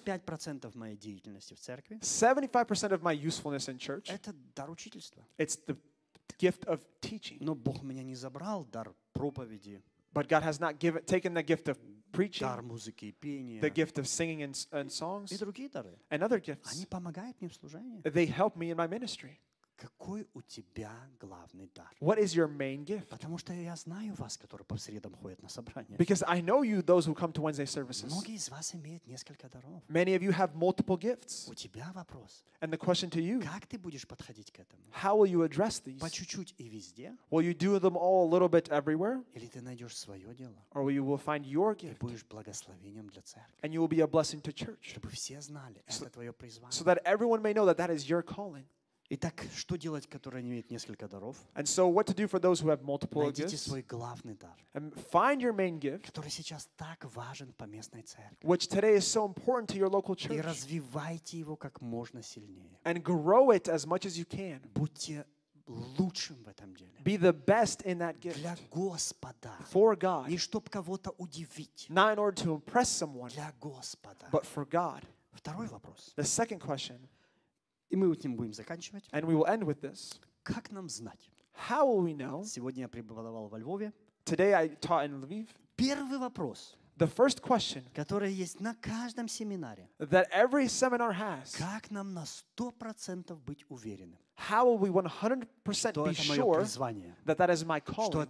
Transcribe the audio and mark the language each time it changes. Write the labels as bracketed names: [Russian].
[Russian] 75% [English] of [Russian] моей деятельности в церкви. [English] 75% of my usefulness in church. [Russian] Это дар учительства. [English] It's the gift of teaching. [Russian] Но Бог меня не забрал дар проповеди. [English] But God has not given, taken the gift of preaching. [Russian] Дар музыки, пения. [English] The gift of singing and songs. [Russian] И другие дары. [English] And other gifts. [Russian] Они помогают мне в служении. [English] They help me in my ministry. [Russian] Какой у тебя главный дар? [English] What is your main gift? [Russian] Потому что я знаю вас, которые по средам ходят на собрания. [English] Because I know you, those who come to Wednesday services. [Russian] Многие из вас имеют несколько даров. [English] Many of you have multiple gifts. [Russian] У тебя вопрос. [English] And the question to you. [Russian] Как ты будешь подходить к этому? [English] How will you address these? [Russian] По чуть-чуть и везде? [English] Will you do them all a little bit everywhere? [Russian] Или ты найдешь свое дело? [English] Or you will find your gift. [Russian] И будешь благословением для церкви. [English] And you will be a blessing to church. [Russian] Чтобы все знали, это твое призвание. [English] So that everyone may know that that is your calling. [Russian] Итак, что делать, которые имеют несколько даров? [English] And so what to do for those who have multiple [Russian] Найдите [English] gifts? [Russian] Свой главный дар. [English] And find your main gift. [Russian] Который сейчас так важен по местной церкви. [English] Which today is so important to your local church. [Russian] И развивайте его как можно сильнее. [English] And grow it as much as you can. [Russian] Будьте лучшим в этом деле. [English] Be the best in that gift. [Russian] Для Господа. [English] For God. [Russian] Не чтобы кого-то удивить. [English] Not in order to impress someone. [Russian] Для Господа. [English] But for God. [Russian] Второй вопрос. [English] The second question. [Russian] И мы этим будем заканчивать. [English] And we will end with this. [Russian] Как нам знать? [English] How will we know? [Russian] Сегодня я преподавал во Львове. [English] Today I taught in Lviv. [Russian] Первый вопрос. [English] The first question. [Russian] Который есть на каждом семинаре. [English] That every seminar has. [Russian] Как нам на 100% быть уверенным? [English] How will we 100% be sure that that is my calling?